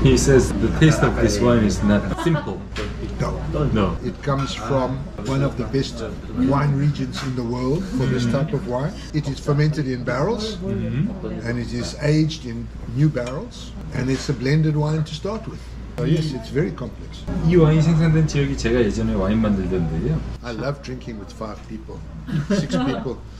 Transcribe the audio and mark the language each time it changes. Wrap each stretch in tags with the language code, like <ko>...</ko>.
<en>He says the taste of this wine is not simple. No. No. It comes from one of the best wine regions in the world for this type of wine. It is fermented in barrels and it is aged in new barrels. And it's a blended wine to start with. Yes, it's very complex.</en> <ko>이 와인이 생산된 지역이 제가 예전에 와인 만들 때인데요.</ko> <en>I love drinking with five people, six people.</en>